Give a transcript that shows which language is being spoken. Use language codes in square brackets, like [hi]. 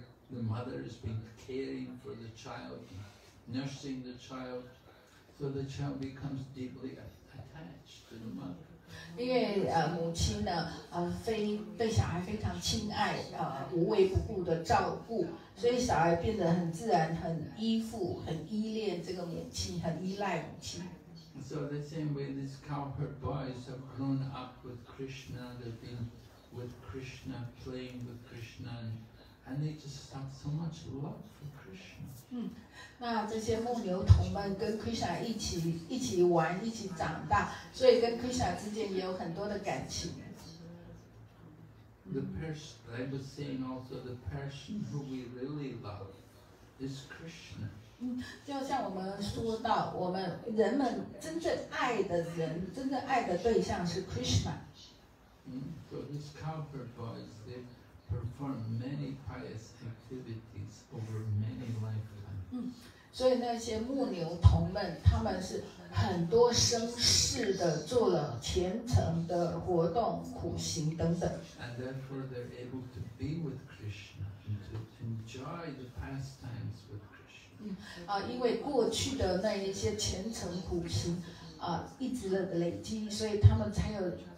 [en] The mother has been caring for the child, nursing the child, so the child becomes deeply attached to the mother. [zh] 因为母亲呢，对小孩非常亲爱，无微不顾的照顾，所以小孩变得很自然，很依附，很依恋这个母亲，很依赖母亲。 [en] So the same way, these cowherd boys have grown up with Krishna. They've been with Krishna, playing with Krishna. And they just have so much love for Krishna. [zh] 那这些牧牛童们跟 Krishna 一起玩，一起长大，所以跟 Krishna 之间也有很多的感情。 [en] I was saying also the person who we really love is Krishna. [zh] 就像我们说到，我们人们真正爱的人，真正爱的对象是 Krishna. [en] So these cowherd boys, they perform many pious activities over many lifetimes. [zh] 所以那些牧牛童们，他们是很多生世的做了虔诚的活动、苦行等等。 [en] And therefore, they're able to be with Krishna and to enjoy the pastimes with Krishna. [zh] 因为过去的那一些虔诚苦行，一直的累积，所以他们才有。